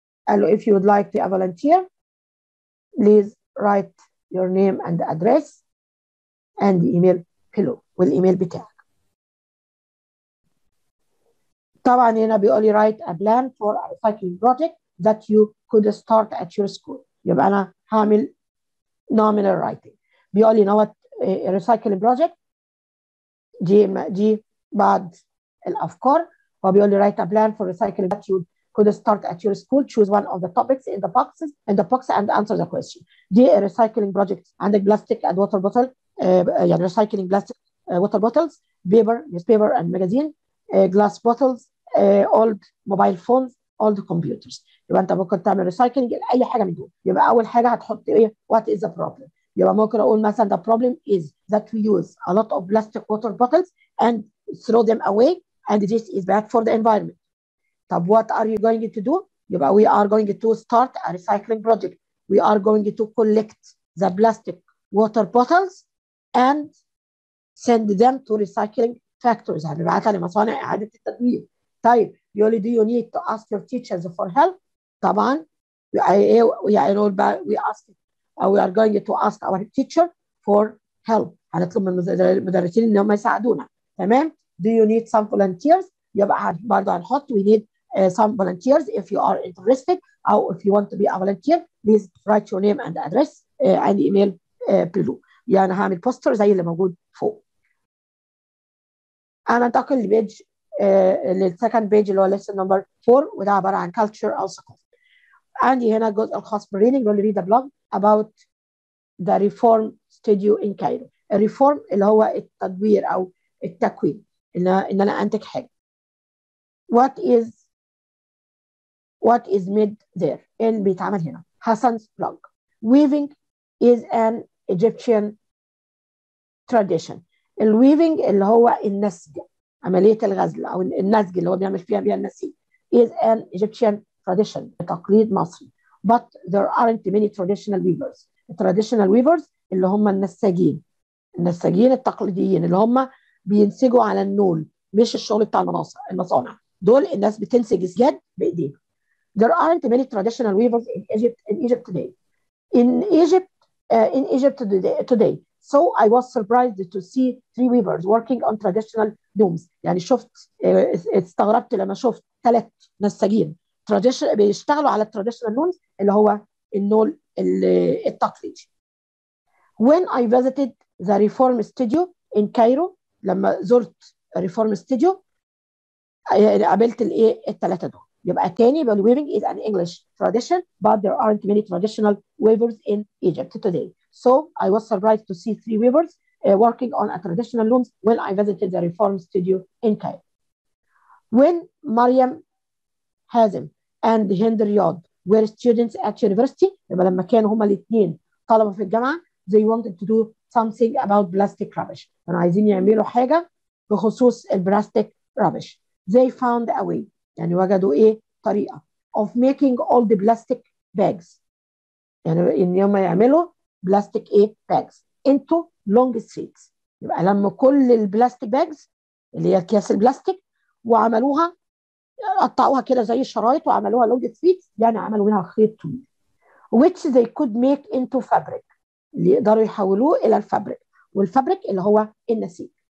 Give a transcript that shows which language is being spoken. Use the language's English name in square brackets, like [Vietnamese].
[English] Hello, if you would like to be a volunteer, please write your name and address [Arabic] عندي ايميل هلو والايميل بتاعك. طبعا هنا بيقول لي [English] write a plan for a recycling project that you could start at your school. [Arabic] يبقى انا هعمل [English] nominal writing. [Arabic] بيقول لي نوت [English] recycling project [Arabic] دي بعض الافكار, وبيقول لي [English] write a plan for recycling that you could start at your school, choose one of the topics in the boxes in the box and answer the question. دي recycling project, عندك plastic and water bottle, يعني recycling plastic water bottles, paper, newspaper and magazine, glass bottles, old mobile phones, old computers. [Arabic] يبقى انت ممكن تعمل recycling لأي حاجة من دول. يبقى أول حاجة هتحط إيه, [English] what is the problem. [Arabic] يبقى ممكن أقول مثلا [English] the problem is that we use a lot of plastic water bottles and throw them away and this is bad for the environment. طب what are you going to do. يبقى we are going to start a recycling project, we are going to collect the plastic water bottles and send them to recycling factories, [Arabic] هنبعتها لمصانع إعادة التدوير. طيب يقول لي [English] do you need to ask your teachers for help. طبعا we are going to ask our teacher for help, [Arabic] هنطلب من المدرسين ان هم يساعدونا. تمام. [English] do you need some volunteers. [Arabic] يبقى برضه هنحط [English] we need some volunteers if you are interested or if you want to be a volunteer, please write your name and address and email below. [Arabic] يعني هعمل بوستر زي اللي موجود فوق. انا انتقل لبيج للسكند بيج اللي هو [English] lesson number 4, [Arabic] وده عبارة عن culture أو ثقافة. عندي هنا الجزء الخاص بالريدنج, بيقول لي [English] read a blog about the reform studio in Cairo. [Arabic] الريفورم اللي هو التدوير أو التكوين, إن أنا أنتج حاجة. [English] What is made there, [Arabic] إيه اللي بيتعمل هنا. [English] Hassan's blog. Weaving is an Egyptian tradition. [Arabic] الويفنج اللي هو النسج, عملية الغزل أو النسج اللي هو بيعمل فيها بيها النسيج, [English] is an Egyptian tradition, [Arabic] تقليد مصري. [English] But there aren't many traditional weavers. Traditional weavers [Arabic] اللي هم النساجين التقليديين اللي هم بينسجوا على النول, مش الشغل بتاع المصانع. دول الناس بتنسج سجاد بإيديهم. [English] There aren't many traditional weavers in Egypt today. In Egypt today. So I was surprised to see three weavers working on traditional looms. [Arabic] يعني شفت استغربت لما شفت ثلاث نساجين بيشتغلوا على traditional looms اللي هو النول التقليدي. [English] When I visited the reform studio in Cairo, [Arabic] لما زرت reform studio قابلت الثلاثة دول. يبقى تاني بيقول [English] weaving is an English tradition but there aren't many traditional weavers in Egypt today. So I was surprised to see three weavers working on a traditional looms when I visited the reform studio in Cairo. When Mariam Hazem and Hinder Yod were students at university, [Arabic] يبقى لما كانوا هما الاثنين طلبة في الجامعة, [English] they wanted to do something about plastic rubbish. [Arabic] كانوا عايزين يعملوا حاجة بخصوص البلاستيك rubbish. [English] They found a way. [Arabic] يعني وجدوا ايه طريقة [English] of making all the plastic bags. [Arabic] يعني ان هم يعملوا [English] plastic bags into long sheets. [Arabic] يبقى لما كل البلاستيك باجز اللي هي اكياس البلاستيك وعملوها قطعوها كده زي الشرايط وعملوها لونج سيتس, يعني عملوا منها خيط طويل [English] which they could make into fabric, [Arabic] اللي يقدروا يحولوه الى الفابريك, والفابريك اللي هو النسيج.